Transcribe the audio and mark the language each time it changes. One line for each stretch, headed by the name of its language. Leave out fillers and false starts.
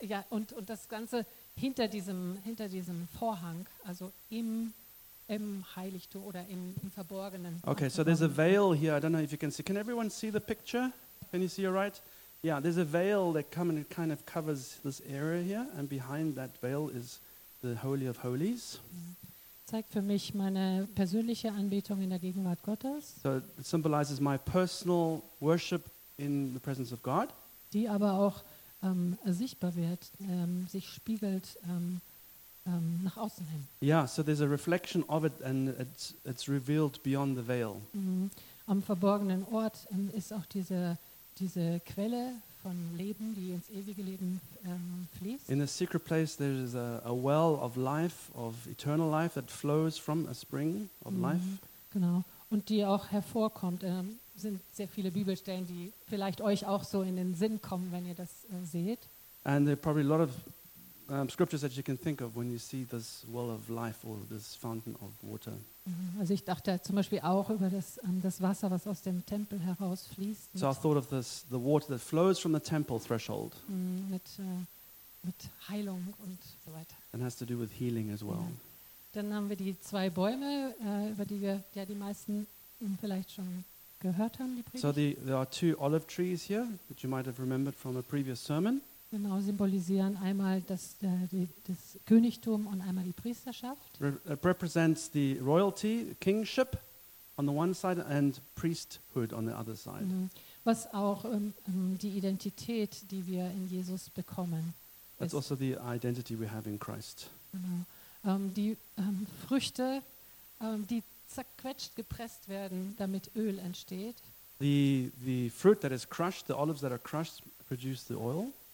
German: Und das Ganze hinter diesem Vorhang, also im Heiligtum oder im Verborgenen.
English: Okay, so there's a veil here. I don't know if you can see. Can everyone see the picture? Can you see it right? Yeah, there's a veil that comes and it kind of covers this area here, and behind that veil is the Holy of Holies.
German: Zeigt für mich meine persönliche Anbetung in der Gegenwart Gottes.
English: So it symbolizes my personal worship in the presence of God.
German: Die aber auch sichtbar wird, sich spiegelt nach außen hin.
English: Yeah, so there's a reflection of it and it's revealed beyond the veil.
German: Am verborgenen Ort ist auch diese Quelle von Leben, die ins ewige Leben fließt.
English: In a secret place there is a well of life, of eternal life that flows from a spring of life.
German: Genau. Und die auch hervorkommt. Sind sehr viele Bibelstellen, die vielleicht euch auch so in den Sinn kommen, wenn ihr das seht.
English: And there are probably a lot of scriptures that you can think of when you see this well of life or this fountain of water.
German: Also ich dachte zum Beispiel auch über das Wasser, was aus dem Tempel herausfließt.
English: So I thought of this, the water that flows from the temple threshold.
German: Mit Heilung und so weiter.
English: And has to do with healing as well.
German: Ja. Dann haben wir die zwei Bäume, über die wir ja die meisten vielleicht schon gehört haben, die Predigt.
English: So there are two olive trees here that you might have remembered from a previous sermon.
German: Genau, symbolisieren einmal das Königtum und einmal die Priesterschaft.
English: Represents the royalty, kingship on the one side and priesthood on the other side.
German: Was auch die Identität, die wir in Jesus bekommen.
English: That's also the identity we have in Christ.
German: Genau. Die Früchte, die zerquetscht, gepresst werden, damit Öl entsteht.
English: The fruit that is crushed, the olives that are crushed, produce the oil.